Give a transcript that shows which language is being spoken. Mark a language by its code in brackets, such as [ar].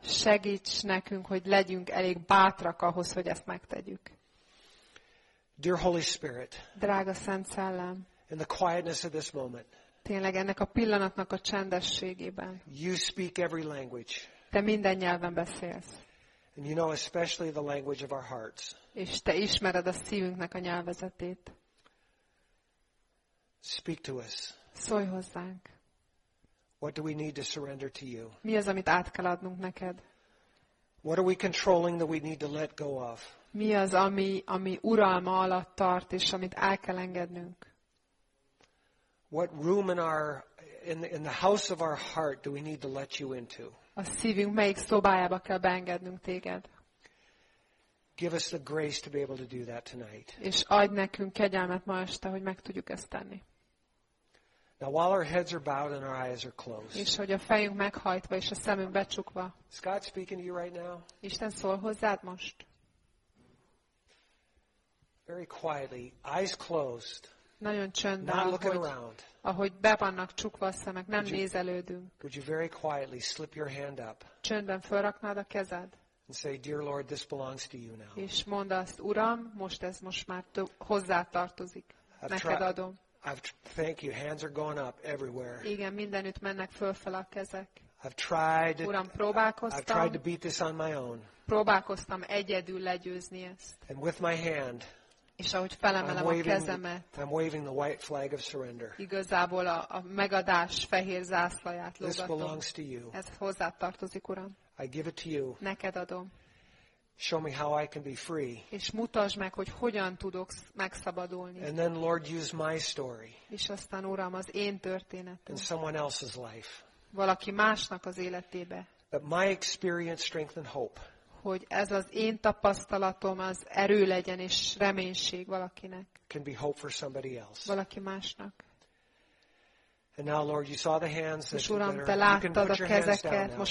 [hu] Segíts nekünk, hogy legyünk elég bátrak ahhoz, hogy ezt megtegyük. [en] Dear Holy Spirit. [hu] Drága Szent Szellem. [en] In the quietness of this moment. [hu] Tényleg ennek a pillanatnak a csendességében. [en] You speak every language. [hu] Te minden nyelven beszélsz. [en] And you know especially the language of our hearts. [hu] És te ismered a szívünknek a nyelvezetét. [en] Speak to us. [hu] Szólj hozzánk. [en] What do we need to surrender to you? [hu] Mi az, amit át kell adnunk neked? [en] What are we controlling that we need to let go of? [hu] Mi az, ami uralma alatt tart és amit el kell engednünk? [en] What room in the house of our heart do we need to let you into? [hu] A szívünk melyik szobájába kell beengednünk téged? [en] Give us the grace to be able to do that tonight. [hu] És adj nekünk kegyelmet ma este, hogy meg tudjuk ezt tenni. [en] Now while our heads are bowed and our eyes are closed. [hu] És hogy a fejünk meghajtva és a szemünk becsukva. [en] Is God speaking to you right now? [hu] Isten szól hozzád most. [en] Very quietly, eyes closed. [hu] Nagyon csöndben, ahogy be vannak csukva a szemek, nem nézelődünk. [en] Would you very quietly slip your hand up? [hu] Csöndben felraknád a kezed. [en] And say, dear Lord, this belongs to you now. [hu] És mondd azt, Uram, most ez most már hozzátartozik. Neked adom. [en] Thank you. Hands are going up everywhere. [hu] Igen, mindenütt mennek fölfele a kezek. Uram, próbálkoztam. [en] I've tried to beat this on my own. [hu] Próbálkoztam egyedül legyőzni ezt. [en] And with my hand. [hu] És ahogy felemelem a kezemet. [en] I'm waving the white flag of surrender. [hu] Igazából a megadás fehér zászlaját lógatom. [en] This belongs to you. [hu] Ez hozzátartozik, Uram. [en] I give it to you. [hu] Neked adom. [en] Show me how I can be free. [hu] És mutasd meg, hogy hogyan tudok megszabadulni. [en] And then Lord, use my story. [hu] És aztán Uram, az én történetem. [en] In someone else's life. [hu] Valaki másnak az életébe. [en] That my experience strength and hope. [hu] Hogy ez az én tapasztalatom az erő legyen és reménység valakinek. [en] Can be hope for somebody else. [hu] Valaki másnak. [en] And now, Lord, you saw the hands that [hu] Uram, [en] are, you can put your hands down now.